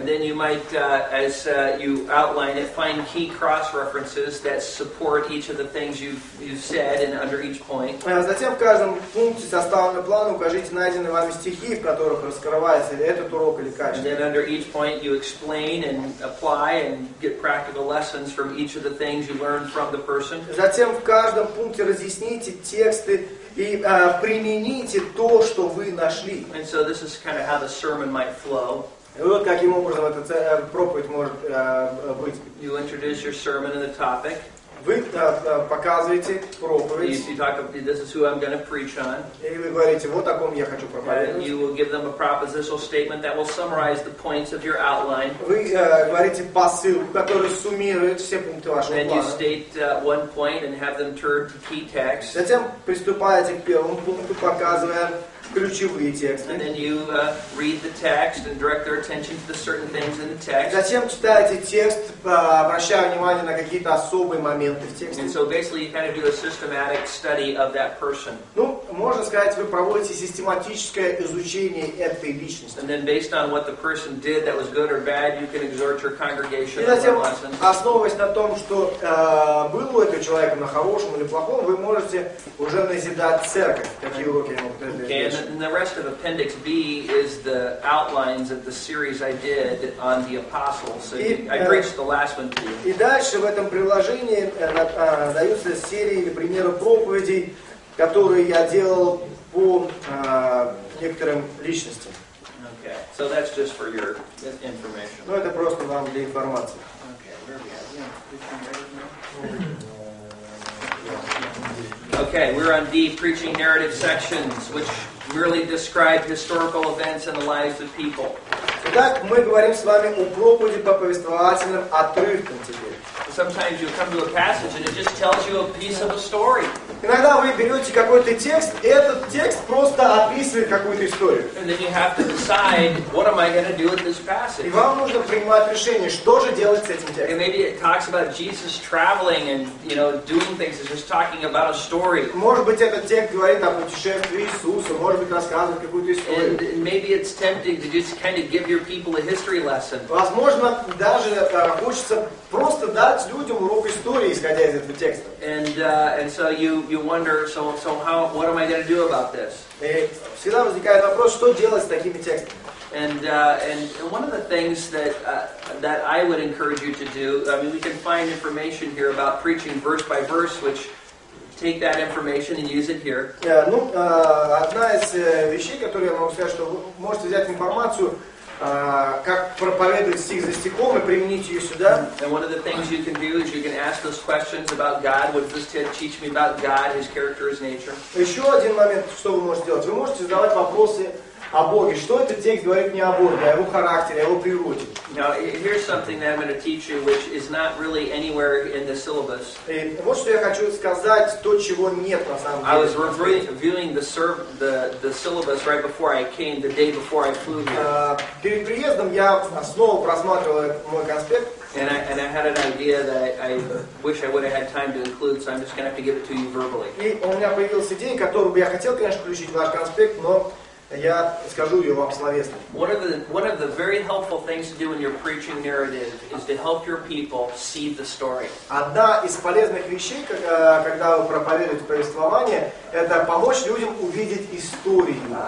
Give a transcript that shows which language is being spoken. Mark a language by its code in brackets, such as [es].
[en] And then you might, as you outline it, find key cross-references that support each of the things you've said and under each point. [ru] Затем в каждом пункте составленного плана укажите найденные вами стихи, в которых раскрывается или этот урок, или качество. [en] And then under each point you explain and apply and get practical lessons from each of the things you learned from the person. [ru] Затем в каждом пункте разъясните тексты, и примените то, что вы нашли. [en] And so this is kind of how the sermon might flow. [ru] И вот каким образом эта проповедь может быть. [en] You introduce your sermon and the topic. [ru] Вы показываете проповедь. [en] You talk about, this is who I'm going to preach on. [ru] И вы говорите, вот о ком я хочу проповедовать. [en] You will give them a propositional statement that will summarize the points of your outline. [ru] Вы говорите посылку, которая суммирует все пункты вашего [en] and [ru] плана. [en] And you state one point and have them turn to key text. [ru] Затем приступаете к первому пункту, показывая ключевые тексты. [en] And then you read the text and direct their attention to the certain things in the text. [ru] Затем читаете текст, обращая внимание на какие-то особые моменты в тексте. [en] And so basically you kind of do a systematic study of that person. [ru] Ну, можно сказать, вы проводите систематическое изучение этой личности. [en] And then based on what the person did that was good or bad, you can exhort your congregation. [ru] И затем, основываясь на том, что было у этого человека на хорошем или плохом, вы можете уже назидать церковь. Какие уроки ему предложили. [en] And the rest of Appendix B is the outlines of the series I did on the apostles. So I preached the last one to you. [ru] И дальше в этом приложении даются серии или примеры проповедей, которые я делал по некоторым личностям. [en] Okay. So that's just for your information. [ru] Ну, это просто вам для информации. [en] Okay. Okay, we're on D, preaching narrative sections, which really describe historical events in the lives of people. [ru] Итак, мы говорим с вами о проповеди по повествовательным отрывкам теперь. [en] So sometimes you come to a passage and it just tells you a piece of a story. [ru] Иногда вы берете какой-то текст, и этот текст просто описывает какую-то историю. [en] And then you have to decide, what am I going to do with this passage? [ru] И вам нужно принимать решение, что же делать с этим текстом. [en] And maybe it talks about Jesus traveling and, you know, doing things. It's just talking about a story. [ru] Может быть, этот текст говорит о путешествии Иисуса, может быть, рассказывает какую-то историю. [en] And maybe it's tempting to just kind of give your people a history lesson. [ru] Возможно, даже хочется просто дать людям урок истории, исходя из этого текста. [en] And so you wonder, so how, what am I going to do about this? [ru] Всегда возникает вопрос, что делать с такими текстами? [en] And one of the things that I would encourage you to do, I mean, we can find information here about preaching verse by verse, which take that information and use it here. [ru] Одна из вещей, которую я могу сказать, что вы можете взять информацию, как проповедовать стих за стихом и применить ее сюда. [en] And one of the things you can do is you can ask those questions about God. Would this teach me about God, His character, His nature? [ru] Еще один момент, что вы можете делать. Вы можете задавать вопросы о Боге. Что этот текст говорит мне о Боге, о Его характере, о Его природе? [en] Now, here's something that I'm going to teach you, which is not really anywhere in the syllabus. [ru] И вот что я хочу сказать, то, чего нет на самом деле. [en] I was reviewing the syllabus right before I came, the day before I flew here. [ru] Перед приездом я снова просматривал мой конспект. [en] And I had an idea that I wish I would have had time to include, so I'm just going to have to give it to you verbally. [ru] И у меня появилась идея, которую бы я хотел, конечно, включить в ваш конспект, но я скажу ее вам словесно. [en] One of the very helpful things to do in your preaching narrative is to help your people see the story. [ru] Одна из полезных вещей, когда вы проповедуете повествование, это помочь людям увидеть историю.